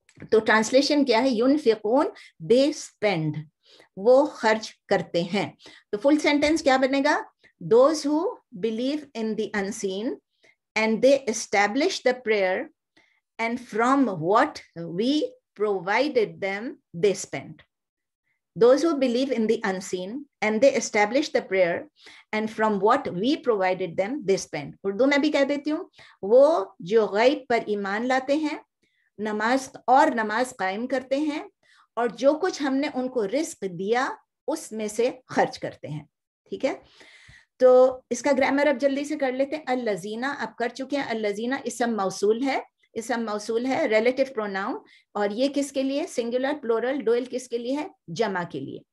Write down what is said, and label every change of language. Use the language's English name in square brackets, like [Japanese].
[Urdu] تو ٹرانسلیشن کیا ہے؟ ینفقون, [English] they spend, [Urdu] وہ خرچ کرتے ہیں. تو فل سینٹینس کیا بنے گا؟ [English] Those who believe in the unseen and they establish the prayer and from what we provided them they spend. Those who believe in the unseen and they establish the prayer and from what we provided them they spend. [Urdu] Urdu میں بھی کہہ دیتی ہوں, وہ جو غیب پر ایمان لاتے ہیں, نماز اور نماز قائم کرتے ہیں, اور جو کچھ ہم نے ان کو رزق دیا اس میں سے خرچ کرتے ہیں. ٹھیک ہے, تو اس کا گرامر اب جلدی سے کر لیتے ہیں. الذین اب کر چکے ہیں, الذین اسم موصول ہے, اسم موصول ہے, ریلیٹو پروناؤن, اور یہ کس کے لیے؟ سنگولر, پلورل, ڈوئل کس کے لیے ہے؟ جمع کے لیے.